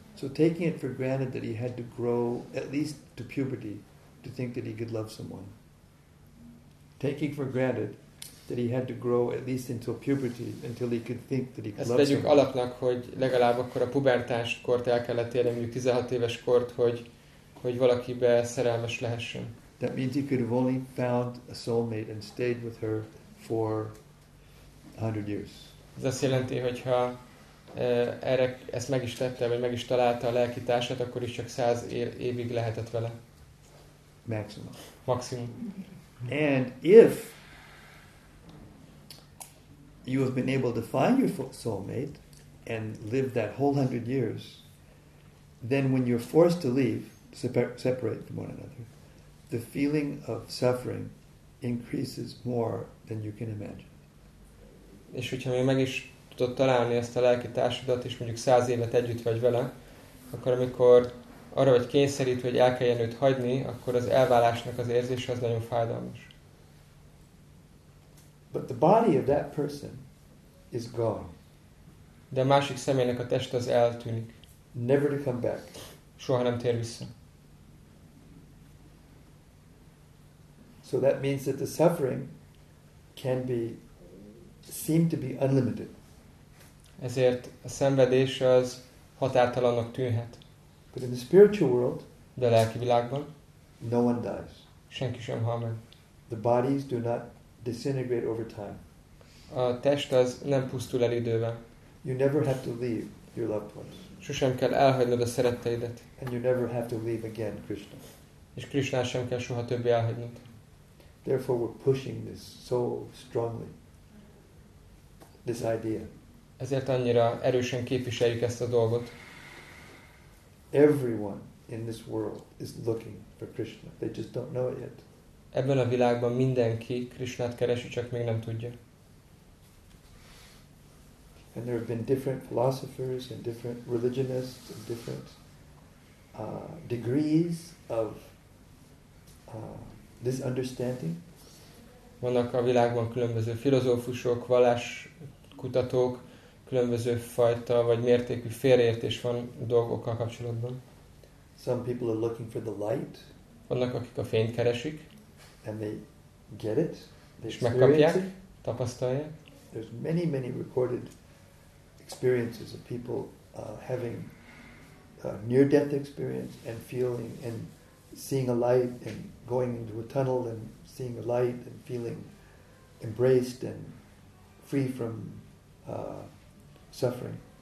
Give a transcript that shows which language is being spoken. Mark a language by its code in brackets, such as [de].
[en] So taking it for granted that he had to grow at least to puberty to think that he could love someone. Taking for granted that he had to grow at least until puberty until he could think that he could love someone. [hu] Ezt vegyük alapnak, hogy legalább akkor a pubertáskort el kellett érni, mondjuk 16 éves kort, hogy hogy valakibe szerelmes lehessen. [en] That means he could have only found a soulmate and stayed with her for 100 years. [hu] Ez azt jelenti, hogyha erre ezt meg is tette, vagy meg is találta a lelki társát, akkor is csak 100 évig lehetett vele. [en] Maximum. And if you have been able to find your soulmate and live that whole 100 years, then when you're forced to leave, separate from one another, the feeling of suffering increases more than you can imagine. [hu] És hogyha még meg is tudod találni ezt a lelki társadat, és mondjuk 100 évet együtt vagy vele, akkor amikor arra vagy kényszerítve, hogy el kelljen őt hagyni, akkor az elválásnak az érzése az nagyon fájdalmas. [en] But the body of that person is gone. [hu] De a másik személynek a teste az eltűnik. [en] Never to come back. [hu] Soha nem tér vissza. [en] So that means that the suffering can be seem to be unlimited. [hu] Ezért a szenvedés az határtalannak tűnhet. [en] But in the spiritual world, [hu] de a lelki világban, [en] no one dies. [hu] Senki sem hal meg. [en] The bodies do not disintegrate over time. [hu] A test az nem pusztul el idővel. [en] You never have to leave your loved ones. [hu] Sosem kell elhagynod a szeretteidet. [en] And you never have to leave again Krishna. [hu] És Krishnát sem kell soha többé elhagynod. [en] Therefore we're pushing this so strongly. This idea. [hu] Ezért annyira erősen képviseljük ezt a dolgot. [en] Everyone in this world is looking for Krishna. They just don't know it yet. [hu] Ebben a világban mindenki Krishnát keresi, csak még nem tudja. [en] And there have been different philosophers and different religionists and different degrees of this understanding. [hu] Vannak a világban különböző filozófusok, valláskutatók, különböző fajta vagy mértékű félreértés van dolgokkal kapcsolatban. [en] Some people are looking for the light. [hu] Vannak, akik a fényt keresik. [en] And they get it. [hu] És megkapják, tapasztalják. [en] There's many, many recorded experiences of people having a near-death experience and feeling and seeing a light and going into a tunnel and seeing a light and feeling embraced and free from suffering.